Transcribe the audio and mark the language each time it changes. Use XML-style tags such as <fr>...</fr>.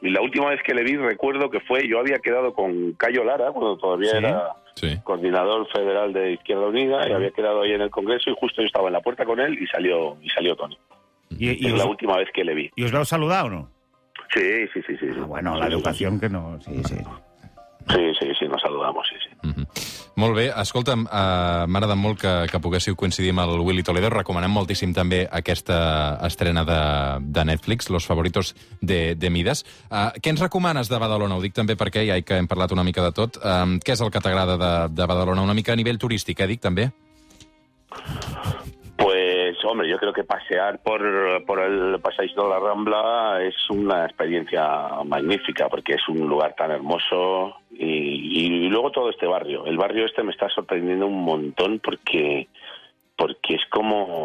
<es>Y la última vez que le vi, recuerdo que fue, yo había quedado con Cayo Lara, cuando todavía era coordinador federal de Izquierda Unida, y había quedado ahí en el Congreso, y justo yo estaba en la puerta con él, y salió Toni. Y es la última vez que le vi. ¿Y os lo ha saludado o no? Sí. Ah, bueno, la educación que no... Sí. Sí, nos saludamos, sí.</es> <ca>Molt bé, escolta'm, m'ha agradat molt que poguéssiu coincidir amb el Willy Toledo. Recomanem moltíssim també aquesta estrena de Netflix, Los Favoritos de Midas. Què ens recomanes de Badalona? Ho dic també perquè ja que hem parlat una mica de tot. Què és el que t'agrada de Badalona? Una mica a nivell turístic, dic, també?</ca> <es>Pues, hombre, yo creo que pasear por el Passeig de la Rambla es una experiencia magnífica porque es un lugar tan hermoso... Y luego todo este barrio. El barrio este me está sorprendiendo un montón porque es como...</es>